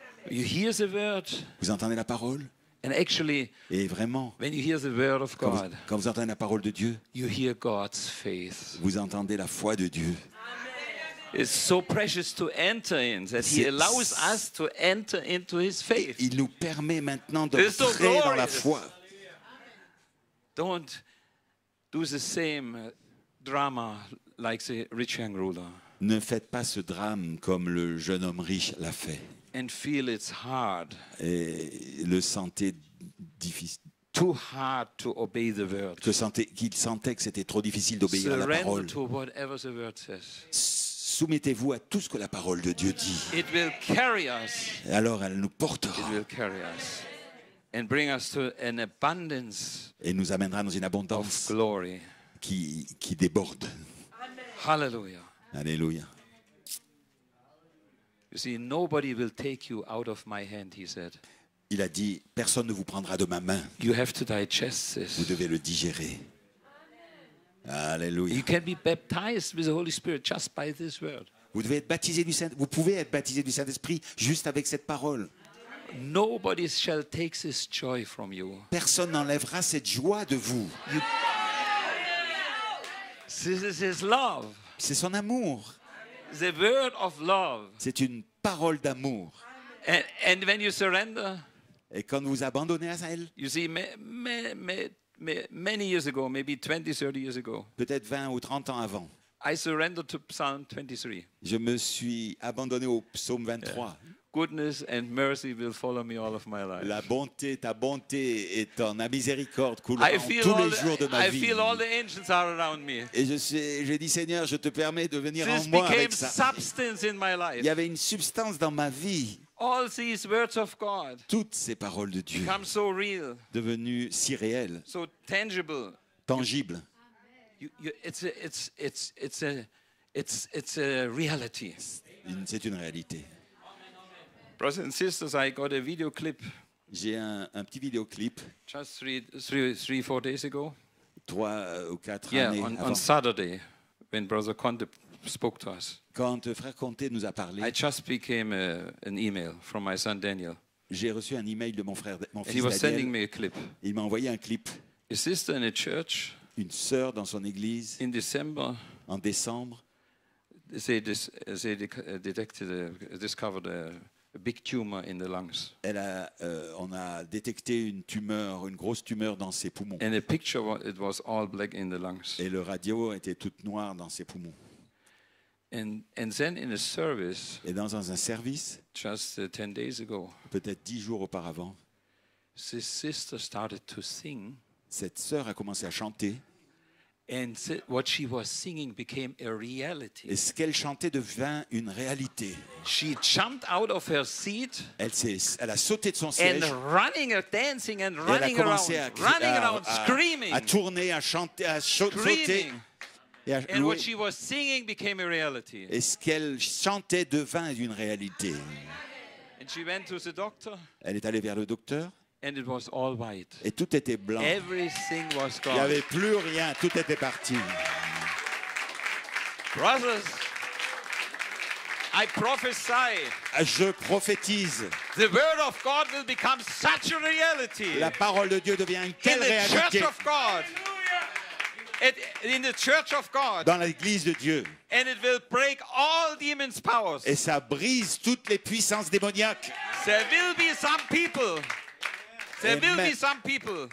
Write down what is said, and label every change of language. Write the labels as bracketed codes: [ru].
[en] You hear the word. [fr] Vous entendez la parole. [en] And actually, [fr] et vraiment, [en] when you hear the word of God, [fr] quand vous entendez la parole de Dieu, [en] you hear God's faith. [fr] Vous entendez la foi de Dieu. [en] It's so precious to enter in that He allows us to enter into His faith. [fr] Il nous permet maintenant d'entrer dans la foi. [en] Don't do the same drama like the rich young ruler. [fr] Ne faites pas ce drame comme le jeune homme riche l'a fait. [en] And feel it's hard. [fr] Et le sentait difficile. [en] Too hard to obey the word. [fr] Qu'il sentait que c'était trop difficile d'obéir [en] Surrender [fr] à la parole. [en] To whatever the word says. [fr] Soumettez-vous à tout ce que la parole de Dieu dit. [en] It will carry us. [fr] Et alors elle nous portera. [en] It will carry us. And bring us to an abundance. [fr] Et nous amènera dans une abondance. [en] Of glory. [fr] Qui déborde. [en] Hallelujah. [fr] Alléluia. [en] You see, nobody will take you out of my hand, he said. [fr] Il a dit, personne ne vous prendra de ma main. [en] You have to digest this. [fr] Vous devez le digérer. Alléluia. [en] You can be baptized with the Holy Spirit just by this word. [fr] Vous devez être baptisé du Saint. Vous pouvez être baptisé du Saint-Esprit juste avec cette parole. [en] Nobody shall take this joy from you. [fr] Personne n'enlèvera cette joie de vous. [en] This is his love. [fr] C'est son amour. [en] The word of love. [fr] C'est une parole d'amour. [en] And when you surrender, [fr] et quand vous abandonnez à elle, [en] you see, many years ago, maybe 20, 30 years ago, [fr] peut-être 20 ou 30 ans avant, [en] I surrendered to Psalm 23. [fr] Je me suis abandonné au psaume 23. Yeah. [en] Goodness and mercy will follow me all of my life. [fr] La bonté, ta bonté est en la miséricorde coulant tous les jours de ma vie. [en] I feel all the angels are around me. [fr] Et j'ai dit, Seigneur, je te permets de venir [en] this [fr] en moi [en] became [fr] avec ça. [en] Substance in my life. [fr] Il y avait une substance dans ma vie. [en] All these words of God. [fr] Toutes ces paroles de Dieu. [en] Become so real. [fr] Devenues si réelles. [en] So tangible. [fr] Tangible. [en] It's a reality. [fr] C'est une réalité. [en] Brothers and sisters, I got a video clip. [fr] J'ai un petit vidéo clip. [en] Just three, 4 days ago. [fr] Trois ou quatre [en] yeah, [fr] années on, avant. [en] Yeah, on Saturday, when Brother Conte spoke to us. [fr] Quand Frère Conte nous a parlé. [en] I just became an email from my son Daniel. [fr] J'ai reçu un email de mon frère, mon [en] and [fr] fils Daniel. [en] He was sending me a clip. [fr] Il m'a envoyé un clip. [en] A sister in a church. [fr] Une sœur dans son église. [en] In December. [fr] En décembre. [en] They discovered a big tumor in the lungs. [fr] Elle a, on a détecté une tumeur, une grosse tumeur dans ses poumons. [en] And the picture, it was all black in the lungs. [fr] Et le radio était toute noire dans ses poumons. [en] And then in a service. [fr] Et dans un service. [en] Just 10 days ago. [fr] Peut-être 10 jours auparavant. [en] This sister started to sing. [fr] Cette sœur a commencé à chanter. [en] And what she was singing became a reality. [fr] Et ce qu'elle chantait devint une réalité. [en] She jumped out of her seat. [fr] Elle a sauté de son siège. [en] And running and dancing and running around. [fr] Elle a commencé [en] running around, screaming. [fr] À tourner, à chanter, à sauter. [en] And what she was singing became a reality. [fr] Et ce qu'elle chantait devint une réalité. [en] And she went to the doctor. [fr] Elle est allée vers le docteur. [en] And it was all white. [fr] Et tout était blanc. [en] Everything was gone. [fr] Il n'y avait plus rien. Tout était parti. [en] Brothers, I prophesy. [fr] Je prophétise. [en] The word of God will become such a reality. [fr] La parole de Dieu devient une telle réalité. [en] In the church of God. In the church of God. [fr] Dans l'église de Dieu. [en] And it will break all demons' powers. [fr] Et ça brise toutes les puissances démoniaques. [en] There will be some people. There will be some people.